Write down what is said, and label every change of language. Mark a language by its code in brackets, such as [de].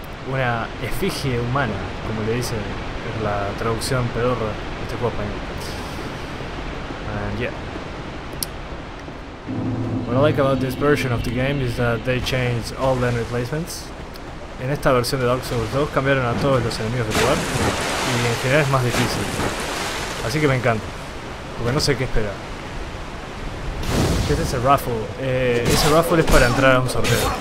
[es] Una efigie humana, como le dicen, es la traducción pedorra de este juego español. [en] And yeah. What I like about this version of the game is that they changed all the enemy placements. [es] En esta versión de Dark Souls 2 cambiaron a todos los enemigos del lugar y en general es más difícil. Así que me encanta, porque no sé qué esperar. ¿Qué es ese raffle? Ese raffle es para entrar a un sorteo.